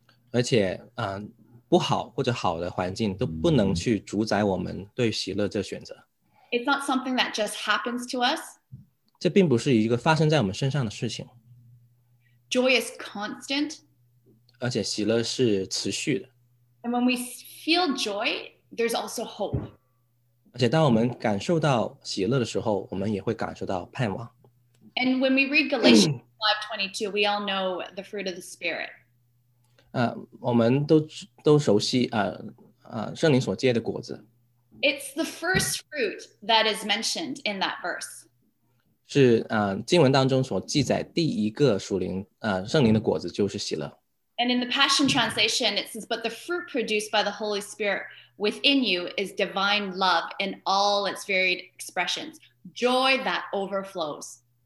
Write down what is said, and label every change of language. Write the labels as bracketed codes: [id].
[zh] 而且不好或者好的环境都不能去主宰我们对喜乐这选择。 [en] It's not something that just happens to us. [zh] 这并不是一个发生在我们身上的事情。 [en] Joy is constant. [zh] 而且喜乐是持续的。 [en] And when we feel joy, there's also hope. [zh] 而且当我们感受到喜乐的时候，我们也会感受到盼望。 [en] And when we read Galatians 5:22, we all know the fruit of the Spirit. [zh] 我们 都熟悉圣灵所结的果子。 [en] It's the first fruit that is mentioned in that verse. [zh] 是经文当中所记载第一个属灵圣灵的果子就是喜乐。 [en] And in the Passion Translation, it says, but the fruit produced by the Holy Spirit within you is divine love in all its varied expressions, joy that overflows.